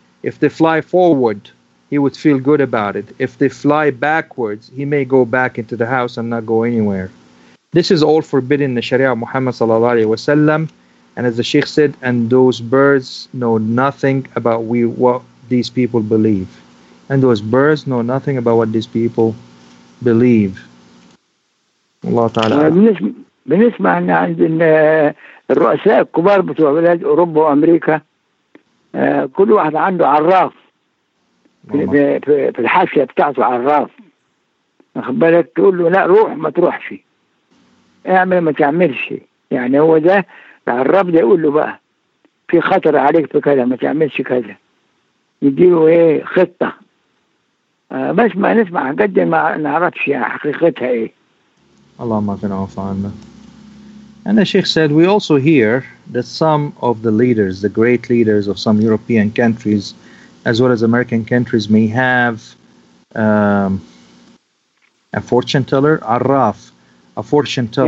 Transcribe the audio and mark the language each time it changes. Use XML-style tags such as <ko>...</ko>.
<en>If they fly forward, he would feel good about it. If they fly backwards, he may go back into the house and not go anywhere. This is all forbidden in the Sharia of Muhammad sallallahu alaihi wasallam, and as the Sheikh said, and those birds know nothing about what these people believe. and those birds know nothing about what these people believe.</en> <ar>الله تعالى. بنسمع أن عند الرؤساء الكبار بتوع بلاد أوروبا وأمريكا كل واحد عنده عراف في الحاشية بتاعته عراف. أخبرك تقول له لا روح ما تروح فيه. اعمل ما تعملش. يعني هو ده العراف ده يقول له بقى في خطر عليك في كذا ما تعملش كذا. يديله ايه خطة. بس ما نسمع قد ما نعرفش يعني حقيقتها ايه. اللهم اغفر عنا.</ar> <en>And the Sheikh said, we also hear that some of the leaders, the great leaders of some European countries, as well as American countries, may have a fortune teller, arraf, a fortune teller.</en>